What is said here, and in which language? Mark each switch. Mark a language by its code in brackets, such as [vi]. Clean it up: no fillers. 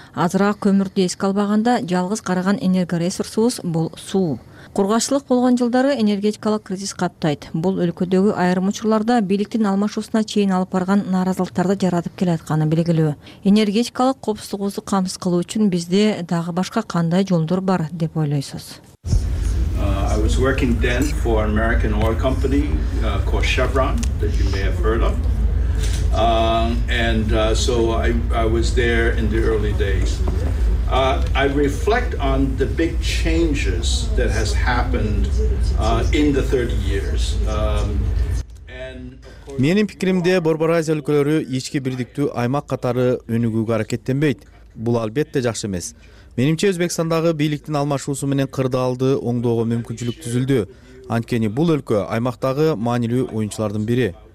[ky] Азыраак көмүрдү эске албаганда, жалгыз караган энергоресурсубуз бул суу. Кургачылык болгон жылдары энергетикалык кризис каптайт. Бул өлкөдөгү айрым учурларда бийликтин алмашуусуна чейин алып барган нааразылыктарды жаратып келатканы белгилүү. Энергетикалык коопсуздугубузду камсыз кылуу үчүн бизде дагы башка кандай жолдор бар деп ойлойсуз? [en] I was working then for an American oil company called Chevron that you may have heard of. So I was there in the early days. I reflect on the big changes that has happened in the 30 years. [ky] Менин пикиримде Борбор Азия өлкөлөрү ички бирдиктүү аймак катары өнүгүүгө аракеттенбейт. Бул албетте жакшы эмес. Менимче Өзбекстандагы бийликтин алмашуусу менен кырдаалды оңдоого мүмкүнчүлүк түзүлдү. Анткени бул өлкө аймактагы маанилүү оюнчулардын бири.